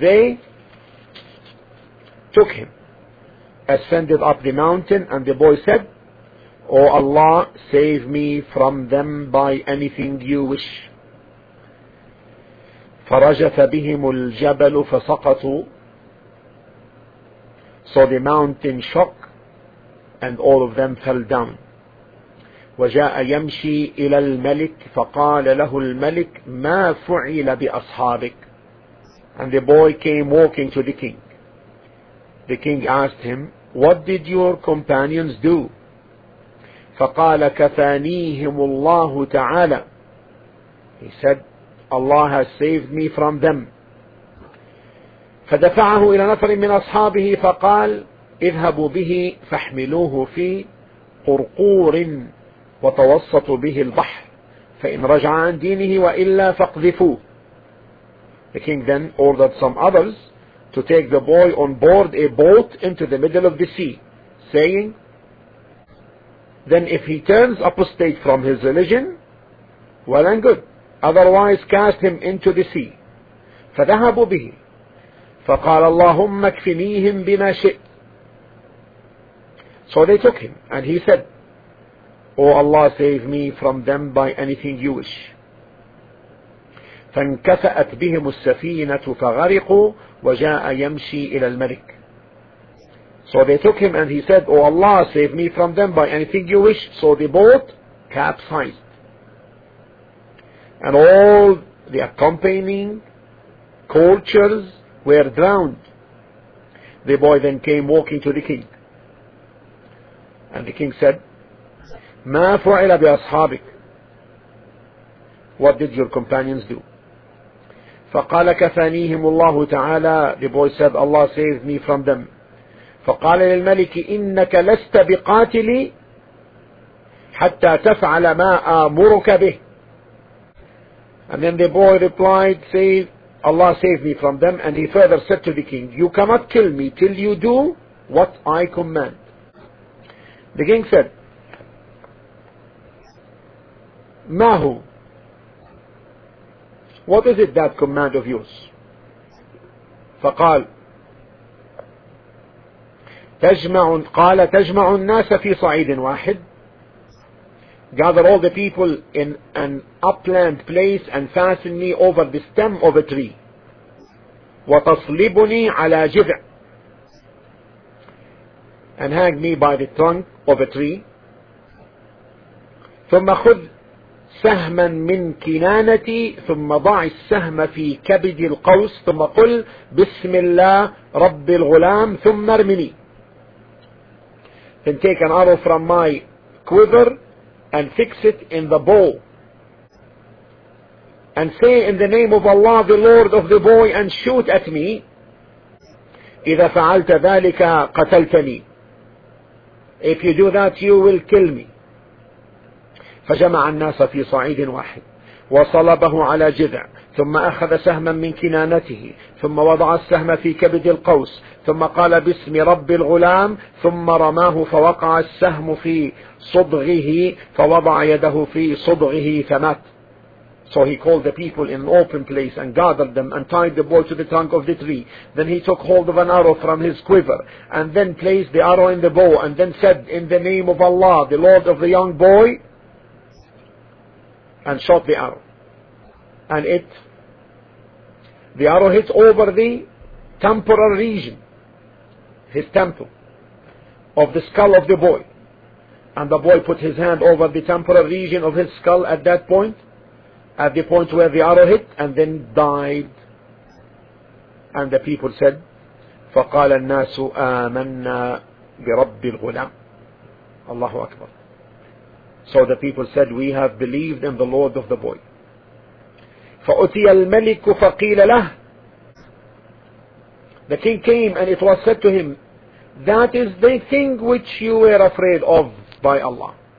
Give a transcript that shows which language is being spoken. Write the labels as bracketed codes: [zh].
[en] They took him, ascended up the mountain, and the boy said, O Allah, save me from them by anything you wish. [ar] فرجف بهم الجبل فسقطوا. [en] So the mountain shook and all of them fell down. [ar] وجاء يمشي إلى الملك فقال له الملك ما فعل بأصحابك. [en] And the boy came walking to the king. The king asked him, what did your companions do? [ar] فقال كفانيهم الله تعالى. [en] He said, Allah has saved me from them. [ar] فدفعه إلى نفر من أصحابه فقال اذهبوا به فاحملوه في قرقور وتوسطوا به البحر فإن رجع عن دينه وإلا فاقذفوه. [en] The king then ordered some others to take the boy on board a boat into the middle of the sea, saying, then if he turns apostate from his religion, well and good. Otherwise, cast him into the sea. [ar] فذهبوا به. فقال اللهم اكفنيهم بما شئت. [en] So they took him, and he said, O Allah, save me from them by anything you wish. [ar] فانكفأت بهم السفينة فغرقوا وجاء يمشي إلى الملك. [en] So they took him, and he said, O Allah, save me from them by anything you wish. So the boat capsized. And all the accompanying cultures were drowned. The boy then came walking to the king. And the king said, [ar] ما فعل بأصحابك? [en] What did your companions do? [ar] فقال كفانيهم الله تعالى. [en] The boy said, Allah saved me from them. [ar] فقال للملك إنك لست بقاتلي حتى تفعل ما آمرك به. [en] And then the boy replied, say, Allah save me from them. And he further said to the king, you cannot kill me till you do what I command. The king said, Mahu, what is it that command of yours? [ar] فقال, تجمع الناس في صعيد واحد. [en] Gather all the people in an upland place and fasten me over the stem of a tree. [ar] وَتَصْلِبُنِي عَلَى جِذْعٍ. [en] And hang me by the trunk of a tree. [ar] ثُمَّ خُذْ سَهْمًا مِنْ كِنَانَتِي ثُمَّ ضَعِ السَّهْمَ فِي كَبِدِ الْقَوْسِ ثُمَّ قُلْ بِسْمِ اللَّهِ رَبِّ الْغُلَامِ ثُمَّ ارْمِنِي. [en] Then take an arrow from my quiver and fix it in the bow. And say in the name of Allah, the Lord of the boy, and shoot at me. [ar] إذا فعلت ذلك قتلتني. [en] If you do that you will kill me. [ar] فجمع الناس في صعيد واحد وصلبه على جذع، ثم أخذ سهما من كنانته، ثم وضع السهم في كبد القوس، ثم قال باسم رب الغلام، ثم رماه فوقع السهم في صدغه، فوضع يده في صدغه فمات. [en] So he called the people in an open place and gathered them and tied the boy to the trunk of the tree. Then he took hold of an arrow from his quiver and then placed the arrow in the bow and then said, in the name of Allah, the Lord of the young boy, and shot the arrow. And the arrow hit over the temporal region, his temple, of the skull of the boy. And the boy put his hand over the temporal region of his skull at that point, at the point where the arrow hit, and then died. And the people said, [ar] فَقَالَ النَّاسُ آمَنَّا بِرَبِّ الْغُلَامِ. Allahu Akbar. [en] So the people said, we have believed in the Lord of the boy. [ar] فَأُتِيَ الْمَلِكُ فَقِيلَ لَهُ. [en] The king came and it was said to him, that is the thing which you were afraid of by Allah.